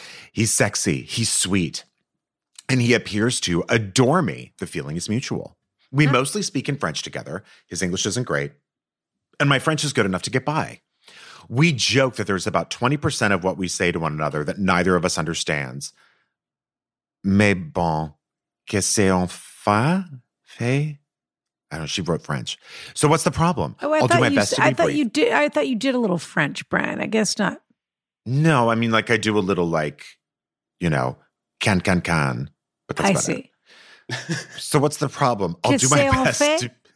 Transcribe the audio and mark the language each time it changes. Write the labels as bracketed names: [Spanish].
[English] He's sexy, he's sweet, and he appears to adore me. The feeling is mutual. We mostly speak in French together. His English isn't great, and my French is good enough to get by. We joke that there's about 20% of what we say to one another that neither of us understands. [French] Mais bon, qu'est-ce qu'on fait? [English] I don't know. She wrote French. So what's the problem? I thought you did a little French, Brian. I guess not. No, I mean, like, I do a little, like, you know, can, but that's about it. So what's the problem? I'll do my best.